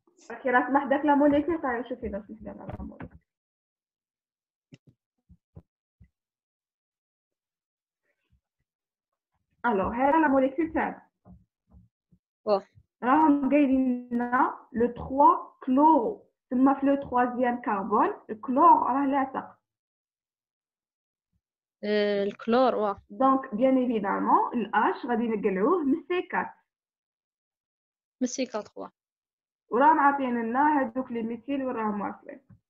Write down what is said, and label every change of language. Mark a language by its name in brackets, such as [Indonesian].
[French] Ok, là, c'est la molécule, ça va chauffer dans ce système. Alors, [Arabic] هذا [French] la molécule [Arabic] تاعنا. واه. راهم قايلين لنا [French] le 3 chloro. [Arabic] ثم في [French] le 3e carbone, le chlore [Arabic] راه لاصق. [French] Le chlore, [Arabic] واه. [French] Donc, bien évidemment, le H [Arabic] غادي نقلعوه من سي 4. من سي 4 واه. وراهم عاطين لنا هذوك لي ميثيل وراهم واصلين.